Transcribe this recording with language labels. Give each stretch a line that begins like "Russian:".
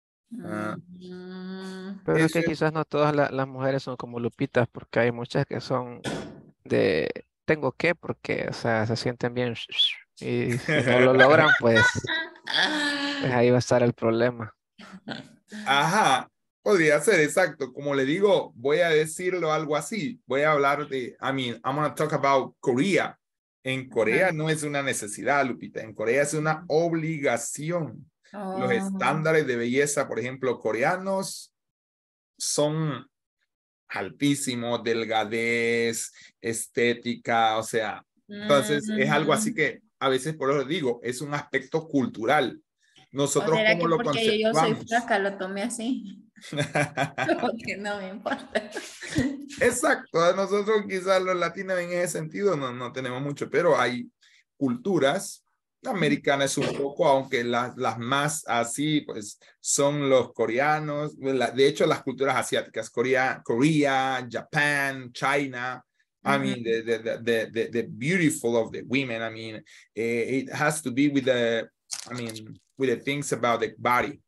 Spanish: Pero es que quizás no todas las mujeres son como Lupitas, porque hay muchas que son de tengo que, porque, o sea, se sienten bien y si no lo logran, pues ahí va a estar el problema. Ajá, podría ser, exacto. Como le digo, voy a decirlo algo así. Voy a hablar de,
English: I mean, I'm going to talk about Korea.
Spanish: En Corea no es una necesidad, Lupita. En Corea es una obligación. Los estándares de belleza, por ejemplo, coreanos, son altísimos, delgadez, estética, o sea. Entonces, es algo así que a veces, por eso digo, es un aspecto cultural. Nosotros, ¿cómo lo conceptuamos? Porque yo soy flaca, lo tomé así. Porque no me importa. Exacto. A nosotros, quizás los latinos en ese sentido no tenemos mucho, pero hay culturas. La americana es un poco, aunque las más así, pues, son los coreanos. De hecho, las culturas asiáticas, Corea, Japón, China.
English: I mean, the beautiful of the women. I mean, it has to be with the, I mean, with the things about the body.